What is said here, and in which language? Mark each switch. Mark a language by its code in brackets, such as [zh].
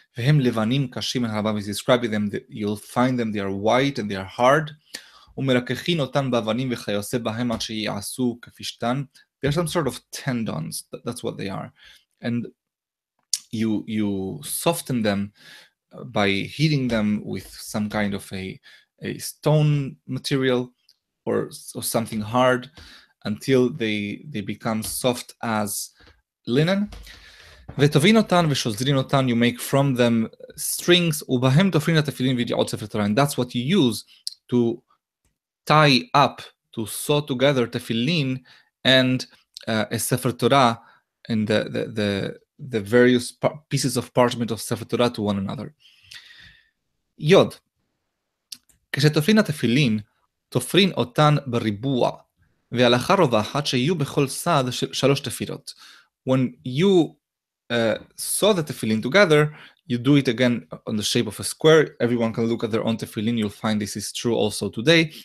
[he] והם לבנים קשים, [en] and הרבה is describing them, that you'll find them, they are white and they are hard. [he] ומרקחין אותן באבנים וכיוסה בהם עד שיעשו כפשתן. [en] They're some sort of tendons, that's what they are. And you soften them by heating them with some kind of a stone material or something hard until they become soft as linen. [he] וטובין אותן ושוזרין אותן, [en] you make from them strings, [he] ובהם תופרין לתפילין וידיעות ספר תורה. [en] And that's what you use to tie up, to sew together תפילין, and a Sefer Torah, and the various pieces of parchment of Sefer Torah to one another. Yod. [he] כשתופרין התפילין, תופרין אותן בריבוע, והלכה רווחת שיהיו בכל סד שלוש תפילות. [en] When you saw the tefillin together, you do it again on the shape of a square. Everyone can look at their own tefillin. You'll find this is true also today.